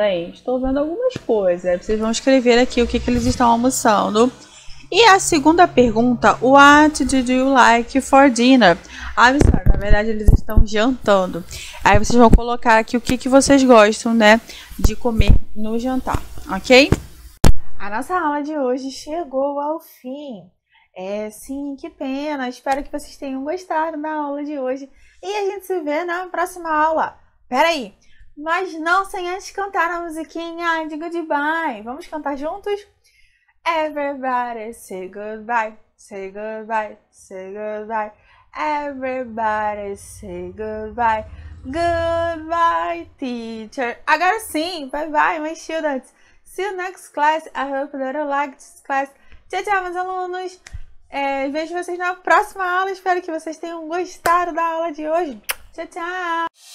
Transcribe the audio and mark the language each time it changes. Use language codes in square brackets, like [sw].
[pt] Aí, estou vendo algumas coisas. Vocês vão escrever aqui o que que eles estão almoçando. E a segunda pergunta, [en] what did you like for dinner? I'm sorry, [pt] na verdade eles estão jantando. Aí vocês vão colocar aqui o que que vocês gostam, né, de comer no jantar, ok? A nossa aula de hoje chegou ao fim. É, sim, que pena. Espero que vocês tenham gostado da aula de hoje. E a gente se vê na próxima aula. Peraí, mas não sem antes cantar a musiquinha de goodbye. Vamos cantar juntos? [en] Everybody say goodbye, say goodbye, say goodbye. Everybody say goodbye, goodbye, teacher. [pt] Agora sim, [en] bye bye, my students. See you next class. I hope that you liked this class. [pt] Tchau, tchau, meus alunos. Vejo vocês na próxima aula. Espero que vocês tenham gostado da aula de hoje. Tchau, tchau.